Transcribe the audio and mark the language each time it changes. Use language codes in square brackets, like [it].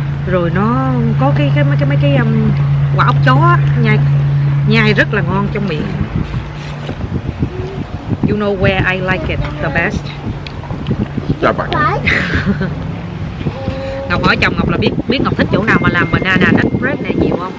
[vi] Rồi nó có cái quả ốc chó nhai rất là ngon trong miệng. [en] You know where I like it the best? Starbucks. [vi] Ngọc hỏi chồng Ngọc là biết Ngọc thích chỗ nào mà làm banana nut bread này nhiều không?